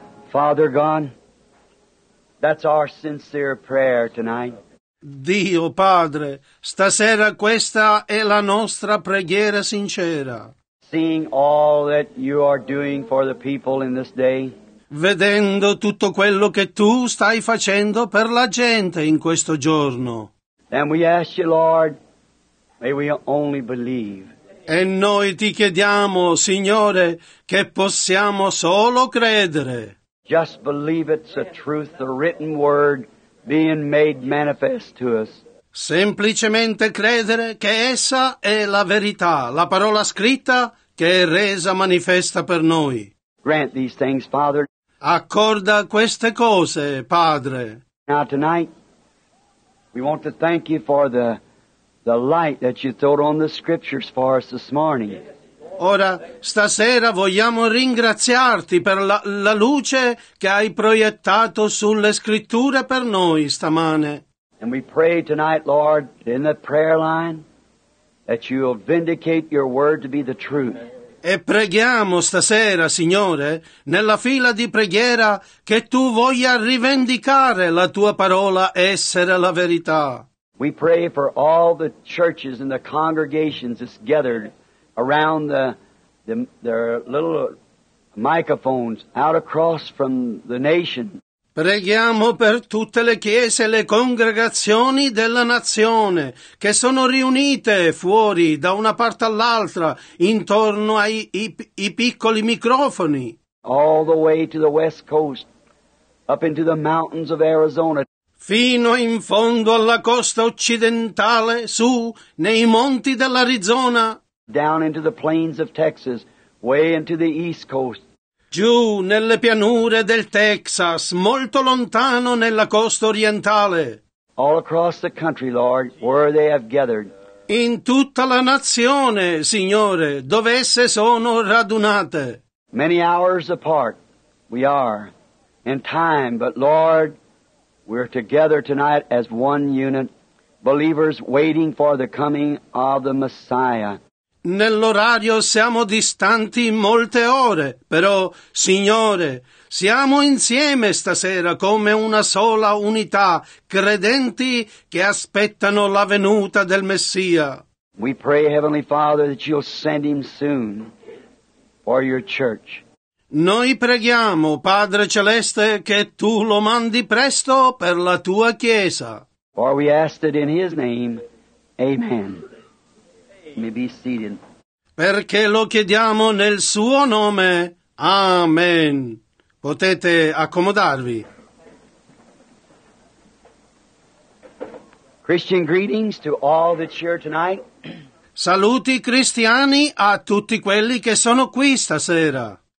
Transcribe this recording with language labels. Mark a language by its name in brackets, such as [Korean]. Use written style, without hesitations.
[English] Father God, that's our sincere prayer tonight. [Italian] Dio Padre, stasera questa è la nostra preghiera sincera. [English] Seeing all that you are doing for the people in this day. [Italian] Vedendo tutto quello che tu stai facendo per la gente in questo giorno. [English] And we ask you, Lord, may we only believe. [Italian] E noi ti chiediamo, Signore, che possiamo solo credere. [English] Just believe it's the truth, the written word being made manifest to us. [Italian] Semplicemente credere che essa è la verità, la parola scritta che è resa manifesta per noi. [English] Grant these things, Father. [Italian] Accorda queste cose, Padre. [English] Now tonight, we want to thank you for the light that you throw on the scriptures for us this morning. [Italian] Ora, stasera vogliamo ringraziarti per la luce che hai proiettato sulle scritture per noi stamane. [English] And we pray tonight, Lord, in the prayer line, that you will vindicate your word to be the truth. [Italian] E preghiamo stasera, Signore, nella fila di preghiera, che tu voglia rivendicare la tua parola essere la verità. [English] We pray for all the churches and the congregations that's gathered around the little microphones out across from the nation. [Italian] Preghiamo per tutte le chiese e le congregazioni della nazione che sono riunite fuori da una parte all'altra intorno ai i piccoli microfoni. [English] All the way to the west coast, up into the mountains of Arizona. [Italian] Fino in fondo alla costa occidentale, su nei monti dell'Arizona. [English] Down into the plains of Texas, way into the east coast. [Italian] Giù nelle pianure del Texas, molto lontano nella costa orientale. [English] All across the country, Lord, where they have gathered. [Italian] In tutta la nazione, Signore, dove esse sono radunate. [English] Many hours apart we are in time, but Lord, we're together tonight as one unit, believers waiting for the coming of the Messiah. [Italian] Nell'orario siamo distanti molte ore, però, Signore, siamo insieme stasera come una sola unità, credenti che aspettano la venuta del Messia. [English] We pray, Heavenly Father, that you'll send him soon for your church. [Italian] Noi preghiamo, Padre Celeste, che tu lo mandi presto per la tua Chiesa. [English] For we ask it in his name, amen. May be seated. [Italian] Perché lo chiediamo nel suo nome. Amen. Potete accomodarvi. [English] Christian greetings to all that's here tonight. [Italian] Saluti cristiani a tutti quelli che sono qui stasera.